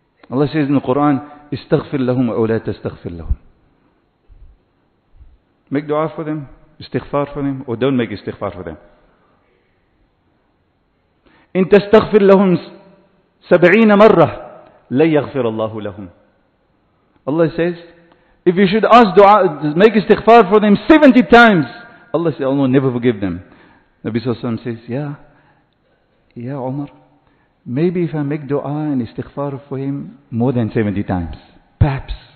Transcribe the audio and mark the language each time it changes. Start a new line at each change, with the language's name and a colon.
English: Allah says in the Quran,
Arabic: استغفر لهم أو لا تستغفر لهم.
English: Make dua for them, استغفار for them, or don't make استغفار for them.
Arabic: إن تستغفر لهم 70 مرة لن يغفر الله لهم.
English: Allah says, if you should ask dua, make istighfar for them 70 times, Allah says, Allah will never forgive them. Nabi Sallallahu Alaihi Wasallam says, Ya Umar, maybe if I make dua and istighfar for him more than 70 times, perhaps.